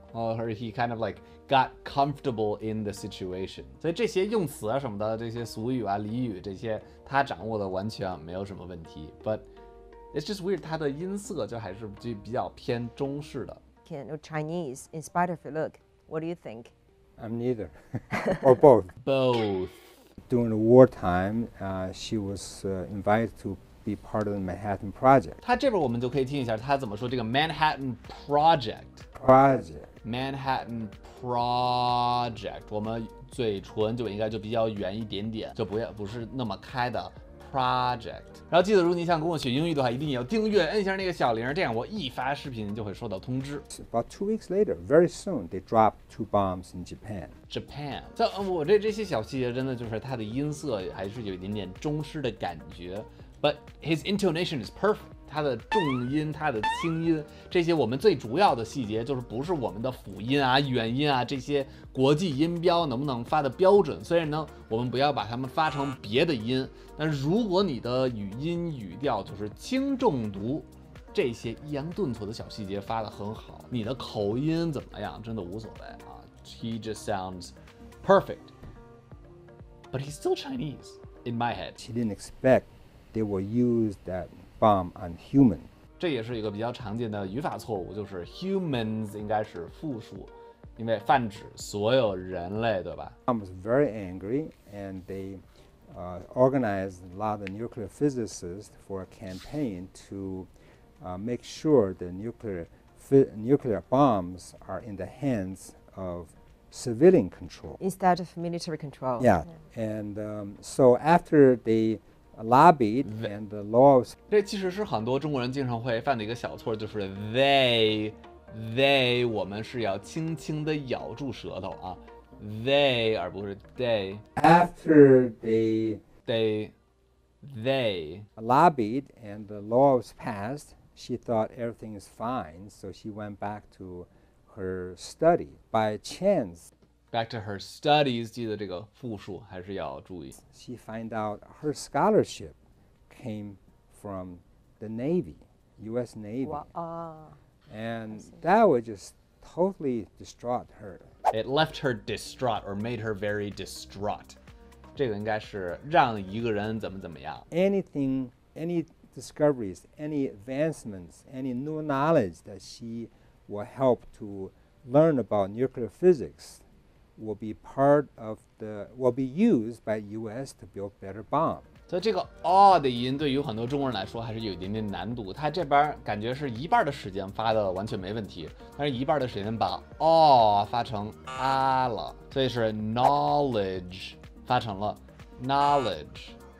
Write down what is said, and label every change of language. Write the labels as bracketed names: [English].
[English] Or he kind of like got comfortable in the situation. [Chinese] 所以这些用词啊什么的，这些俗语啊、俚语这些，他掌握的完全没有什么问题。 [English] But it's just weird. [Chinese] 他的音色就还是就比较偏中式的。 [English] Can or Chinese in spite of your look? What do you think? I'm neither, or both. Both. During the wartime, she was invited to. Be part of the Manhattan Project. [Chinese] 他这边我们就可以听一下他怎么说这个 Manhattan Project. [English] Project. [Chinese] Manhattan Project. 我们嘴唇就应该就比较圆一点点，就不是那么开的 Project. 然后记得，如果你想跟我学英语的话，一定要订阅，摁一下那个小铃，这样我一发视频就会收到通知。 [English] About 2 weeks later, very soon, they dropped 2 bombs in Japan. [Chinese] Japan. So, 我这些小细节真的就是他的音色还是有一点点中式的感觉。 [English] But his intonation is perfect. [Chinese] 它的重音、它的轻音，这些我们最主要的细节就是不是我们的辅音啊、元音啊，这些国际音标能不能发的标准。虽然呢，我们不要把它们发成别的音，但如果你的语音语调就是轻重读，这些抑扬顿挫的小细节发得很好，你的口音怎么样真的无所谓啊。 [English] He just sounds perfect, but he's still Chinese in my head. He didn't expect they will use that bomb on human. [Chinese] 这也是一个比较常见的语法错误，就是 humans 应该是复数，因为泛指所有人类，对吧？ [English] Bomb was very angry and they organized a lot of nuclear physicists for a campaign to make sure the nuclear bombs are in the hands of civilian control. Instead of military control. Yeah. And so after they lobbied and the laws. [Chinese] 这其实是很多中国人经常会犯的一个小错，就是 they, 我们是要轻轻地咬住舌头啊。 They, 而不是 they. [English] After they. They. Lobbied and the laws passed. She thought everything is fine, so she went back to her study by chance. Back to her studies, [Chinese] 记得这个复数还是要注意。 [English] She found out her scholarship came from the Navy, U.S. Navy. And that was just totally distraught her. It left her distraught or made her very distraught. [Chinese] 这个应该是让一个人怎么怎么样。 [English] Any discoveries, any advancements, any new knowledge that she will help to learn about nuclear physics will be part of the, will be used by U.S. to build better bomb. [Chinese] 所以这个 all 的音对于很多中国人来说还是有一点点难度，他这边感觉是一半的时间发的完全没问题，但是一半的时间把 all 发成 a 了，所以是 knowledge 发成了 knowledge。